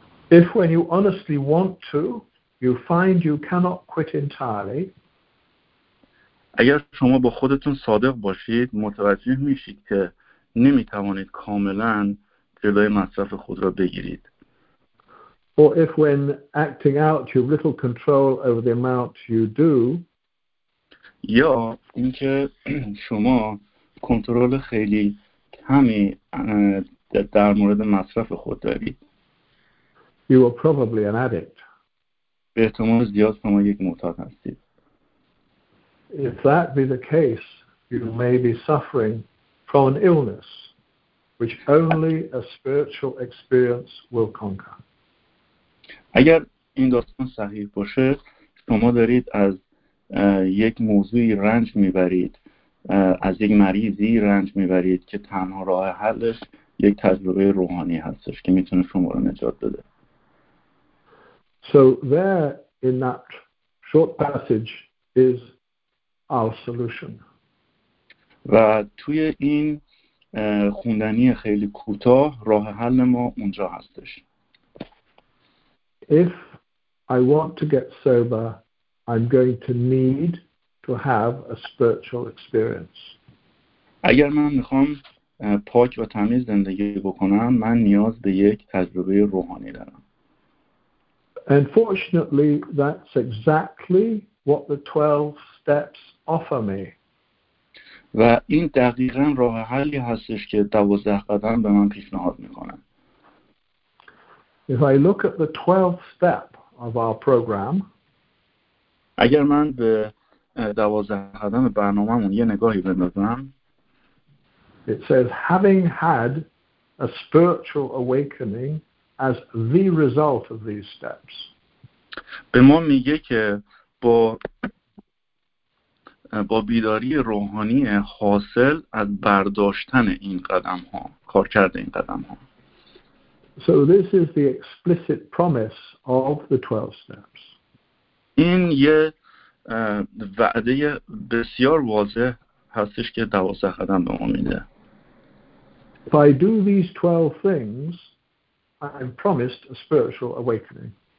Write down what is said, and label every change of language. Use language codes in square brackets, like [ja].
[en] If when you honestly want to, you find you cannot quit entirely. [fa] اگر شما با خودتون صادق باشید، متوجه میشید که نمیتوانید کاملا جلوی مصرف خود را بگیرید. [en] Or if when acting out you have little control over the amount you do, [fa] یا اینکه شما کنترل خیلی کمی در مورد مصرف خود دارید. [en] You are probably an addict. [fa] به احتمال زیاد شما یک معتاد هستید. [en] If that be the case, you may be suffering from an illness which only a spiritual experience will conquer. [fa] اگر این داستان صحیح باشه، شما دارید از یک موضوعی رنج میبرید، از یک مریضی رنج میبرید که تنها راه حلش یک تجربه روحانی هستش که میتونه شما رو نجات بده. [en] So there in that short passage is our solution. [fa] و توی این خوندنی خیلی کوتاه راه حل ما اونجا هستش. [en] If I want to get sober, I'm going to need to have a spiritual experience. [fa] اگر من میخوام پاک و تمیز زندگی بکنم، من نیاز به یک تجربه روحانی دارم. [en] And fortunately, that's exactly what the 12 steps offer me. [fa] و این دقیقاً راه حلی هستش که 12 قدم به من پیشنهاد میکنن. [en] If I look at the 12th step of our program, [fa] اگر من به 12 قدم برنامه‌مون یه نگاهی بندازم، [en] it says having had a spiritual awakening as the result of these steps. [fa] به ما میگه که با بیداری روحانی حاصل از برداشتن این قدم ها، کار کرده این قدم ها. [en] So this is the explicit promise of the 12 steps. [fa] این یه وعده بسیار واضح هستش که 12 قدم به ما میده. [en] If I do these 12 things, I'm promised a spiritual awakening.